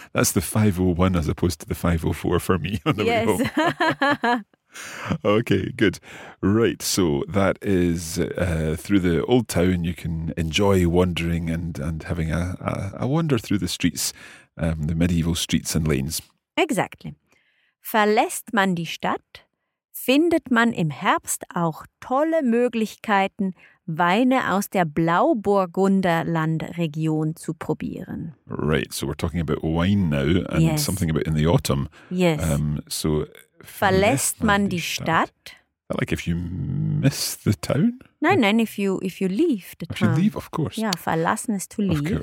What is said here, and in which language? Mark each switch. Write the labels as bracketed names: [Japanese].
[English] That's the 501 as opposed to the 504 for me on the way home. Okay, good. Right, so that is through the old town. You can enjoy wandering and having a wander through the streets, the medieval streets and lanes. Exactly. [German] Verlässt man die Stadt, findet man im Herbst auch tolle Möglichkeiten, Weine aus der Blauburgunderlandregion zu probieren. [English] Right, so we're talking about wine now and something about in the autumn. Yes. So [German] verlässt man die Stadt? [English] Like if you miss the town? Nein, if you leave the town. If you leave, of course. Yeah, verlassen is to leave.